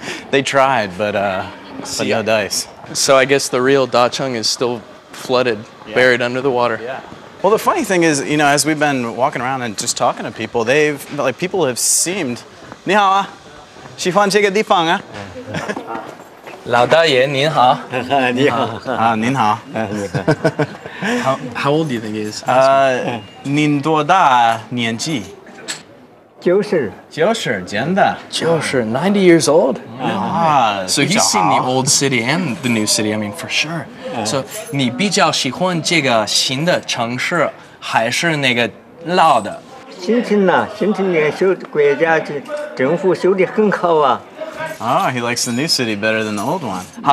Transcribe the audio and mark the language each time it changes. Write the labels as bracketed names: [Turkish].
[English] They tried, but no dice. So I guess the real Dachang is still flooded, buried under the water. Yeah. Well, the funny thing is, you know, as we've been walking around and just talking to people, people have seemed, [Chinese] 你好啊，喜欢这个地方啊。老大爷您好，您好啊，您好。 [English] How old do you think he is? [Chinese] 您多大年纪？九十，九十，真的，九十 [English] 90 years old. Ah, so he's seen the old city and the new city. I mean, for sure. Yeah. [Chinese] So, 你比较喜欢这个新的城市还是那个老的？新城呢？新城的修国家政府修的很好啊。 [English] Oh, he likes the new city better than the old one.